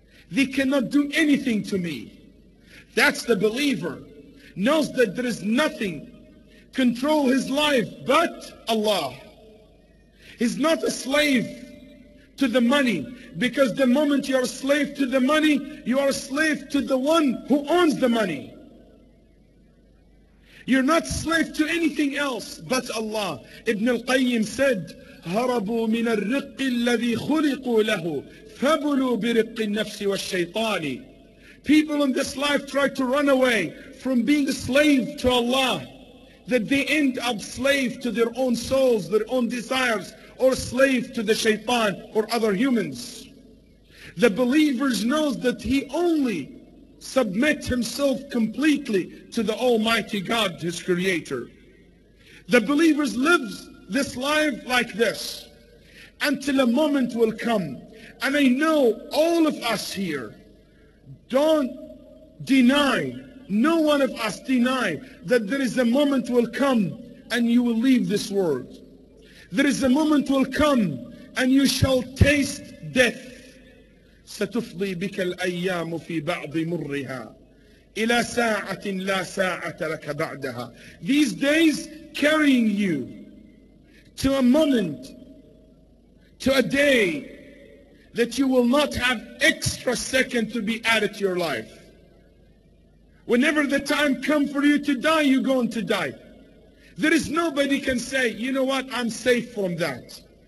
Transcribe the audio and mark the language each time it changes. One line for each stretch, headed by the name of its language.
English: They cannot do anything to me. That's the believer, knows that there is nothing control his life but Allah. He's not a slave to the money, because the moment you are a slave to the money, you are a slave to the one who owns the money. You're not slave to anything else but Allah. Ibn al-Qayyim said,
Arabic: هَرَبُوا مِنَ الرِّقِّ الَّذِي خُلِقُوا لَهُ فَبُلُوا بِرِقِّ النَّفْسِ وَالشَّيْطَانِ.
English: People in this life try to run away from being a slave to Allah, that they end up slave to their own souls, their own desires, or slave to the shaytan or other humans. The believers knows that he only submits himself completely to the Almighty God, his creator. The believers lives this life like this until a moment will come. And I know all of us here don't deny, no one of us deny, that there is a moment will come and you will leave this world. There is a moment will come and you shall taste death.
Arabic: ستفضي بك الأيام في بعض مرها إلى ساعة لا ساعة لك بعدها.
English: These days carrying you to a moment, to a day that you will not have extra second to be added to your life. Whenever the time comes for you to die, you're going to die. There is nobody can say, you know what, I'm safe from that.